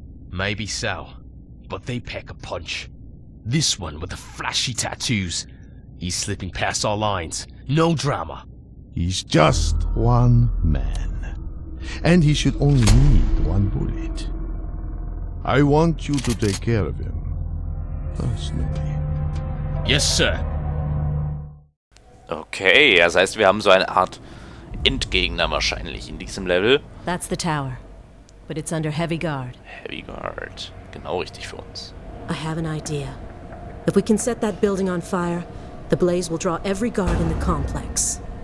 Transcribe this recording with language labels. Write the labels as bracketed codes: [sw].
[en] Maybe so, but they pack a punch. This one with the flashy tattoos. He's slipping past our lines. No drama. He's just one man. And he should only need one bullet. I want you to take care of him. Personally. Yes, sir. [de] Okay, das heißt, wir haben so eine Art Endgegner wahrscheinlich in diesem Level. [en] That's the tower. But it's under heavy guard. Heavy guard. [de] Genau richtig für uns. [en] I have an idea. If we can set that building on fire, the blaze will draw every guard in the complex.